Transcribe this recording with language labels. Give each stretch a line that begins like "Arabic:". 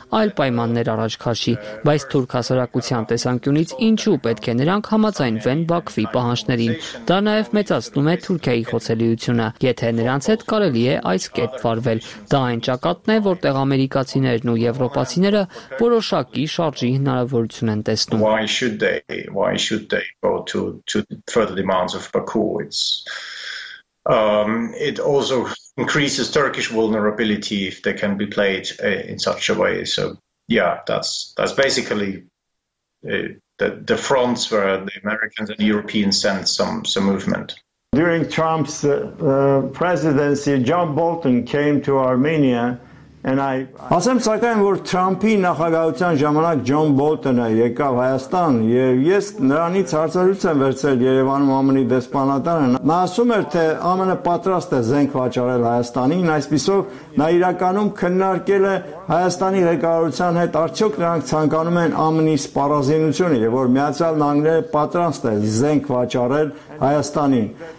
Armenian: այլ պայմաններ առաջ քաշի, բայց թուրք հասարակության տեսանկյունից ինչու պետք է նրանք համաձայնվեն Բաքվի պահանջներին, դա նաև մեծացնում է Թուրքիայի ցելիությունը, եթե նրանց հետ կարելի է այս կերպ վարվել։ Դա այն ճակատն է, որտեղ ամերիկացիներն ու եվրոպացիները որոշակի շարժի հնարավորություն են տեսնում։
English: Why should they? Why should they go to further demands of Baku? It's it also increases Turkish vulnerability if they can be played in such a way. So yeah, that's basically the fronts where the Americans and Europeans sent some movement. During Trump's presidency, John Bolton came to Armenia, and I.
Armenian: Ասեմ, սակայն, որ Թրամփի նախագահության ժամանակ Ջոն Բոլտոնը եկավ Հայաստան, և ես նրանից հարցարուց եմ վերցել Երևանում ԱՄՆ-ի դեսպանատարը, նա ասում էր, թե ԱՄՆ-ը պատրաստ է զենք վաճառել Հայաստանին, այսպիսով նա իրականում քննարկել է Հայաստանի ղեկավարության հետ, արդյոք նրանք ցանկանում են ԱՄՆ-ի սպառազինությունը, և որ Միացյալ Նահանգները պատրաստ է զենք վաճառել Հայաստանին։